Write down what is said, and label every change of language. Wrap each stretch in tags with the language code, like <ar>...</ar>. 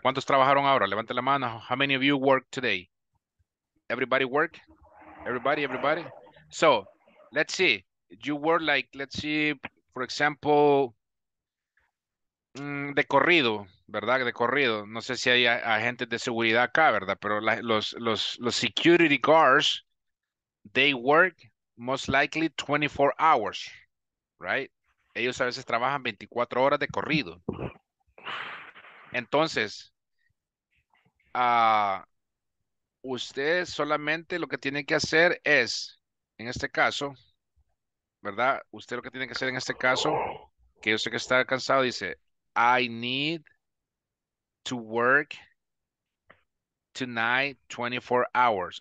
<es>¿Cuántos trabajaron ahora? Levante la mano.</es> <en>How many of you work today? Everybody work? Everybody? So, let's see. You work like, let's see, for example,</en> <es>de corrido, ¿verdad? De corrido. No sé si hay agentes de seguridad acá, ¿verdad? Pero los</es> <en>security guards, they work most likely 24 hours, right?</en> <es>Ellos a veces trabajan 24 horas de corrido. Entonces, usted solamente lo que tiene que hacer es, en este caso, ¿verdad? Usted lo que tiene que hacer en este caso, que yo sé que está cansado, dice,</es> <en>I need to work tonight 24 hours.</en>